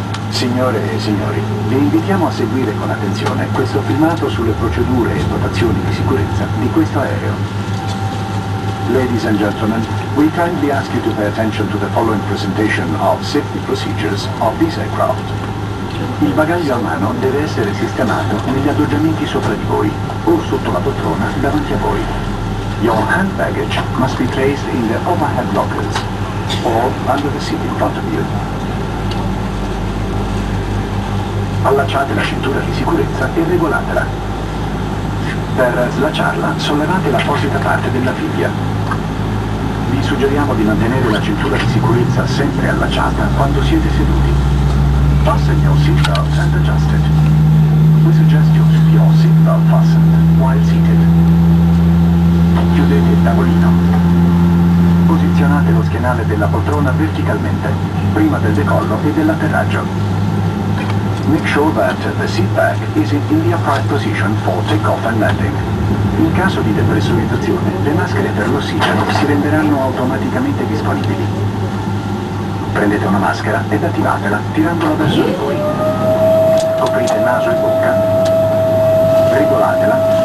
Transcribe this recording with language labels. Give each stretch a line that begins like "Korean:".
Italian: Signore e signori, vi invitiamo a seguire con attenzione questo filmato sulle procedure e dotazioni di sicurezza di questo aereo.
English: Ladies and gentlemen, we kindly ask you to pay attention to the following presentation of safety procedures of this aircraft.
Italian: Il bagaglio a mano deve essere sistemato negli adagiamenti sopra di voi o sotto la poltrona davanti a voi.
English: Your hand baggage must be placed in the overhead lockers or under the seat in front of you.
Italian: Allacciate la cintura di sicurezza e regolatela. Per slacciarla, sollevate l'apposita parte della fibbia. Vi suggeriamo di mantenere la cintura di sicurezza sempre allacciata quando siete seduti.
English: Fasten your seatbelt and adjust it. We suggest you keep your seatbelt fastened while seated.
Italian: Chiudete il tavolino. Posizionate lo schienale della poltrona verticalmente, prima del decollo e dell'atterraggio.
English: Make sure that the seat back is in the upright position for takeoff and landing.
Italian: In caso di depressurizzazione, le maschere per l'ossigeno si renderanno automaticamente disponibili. Prendete una maschera ed attivatela tirandola verso di voi. Coprite naso e bocca. Regolatela.